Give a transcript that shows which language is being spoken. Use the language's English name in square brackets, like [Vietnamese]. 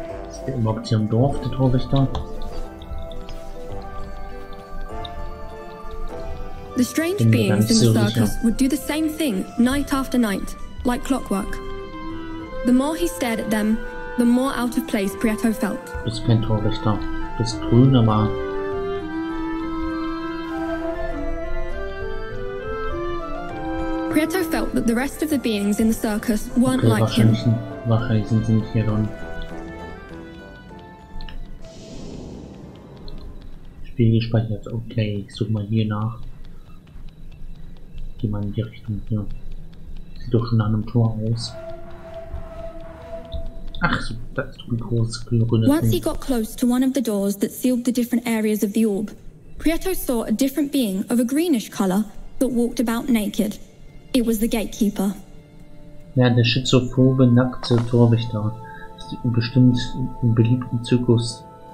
[German] Ist der überhaupt hier im Dorf, der Torwächter? [English] The strange beings in the circus would do the same thing night after night, like clockwork. The more he stared at them, the more out of place Prieto felt. [German] Du bist kein Torwächter. Du bist grün, aber... [English] Prieto felt that the rest of the beings in the circus weren't okay, like [German] wahrscheinlich [English] him. [German] Wahrscheinlich sind sie nicht hier drin. Spiel gespeichert. Okay, ich such mal hier nach. Geh mal in die Richtung hier. Sieht doch schon nach einem Tor aus. Ach so, das ist ein großes grünes Ding. [English] Once he got close to one of the doors that sealed the different areas of the orb, Prieto saw a different being of a greenish color that walked about naked. It was the gatekeeper. [German] Ja, der schizophobe, nackte Torwächter. Ist bestimmt im beliebten Zirkus.